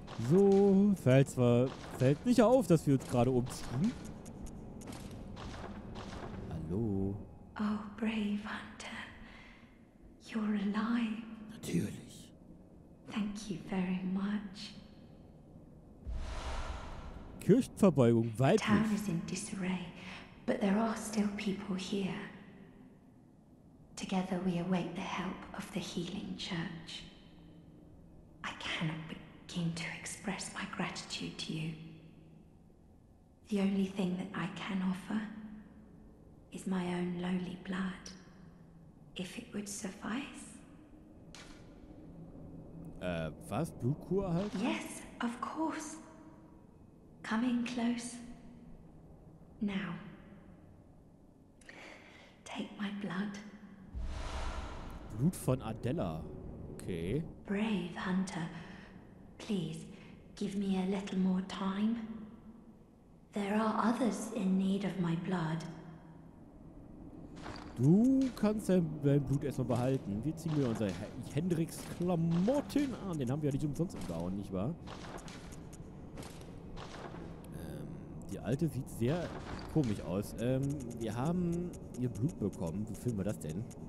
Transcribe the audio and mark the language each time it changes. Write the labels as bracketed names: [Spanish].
[German] So, fällt nicht auf, dass wir uns gerade umziehen. Hallo. [English] Oh, brave Hunter. You're alive. [German] Natürlich. [English] Thank you very much. [German] Kirchenverbeugung, weiblich. [English] The town is in disarray, but there are still people here. Together we await the help of the healing church. I cannot begin to express my gratitude to you. The only thing that I can offer is my own lowly blood. If it would suffice. [German] Was? Blutkur halt? [English] Yes, of course. Come in close. Now. Take my blood. [German] Blut von Adella. Okay. [English] Brave Hunter, please give me a little more time. There are others in need of my blood. [German] Du kannst dein Blut erstmal behalten. Wir ziehen wieder unser Hendrix-Klamotten an. Den haben wir ja nicht umsonst umgehauen, nicht wahr? Die Alte sieht sehr komisch aus. Wir haben ihr Blut bekommen. Wo finden wir das denn?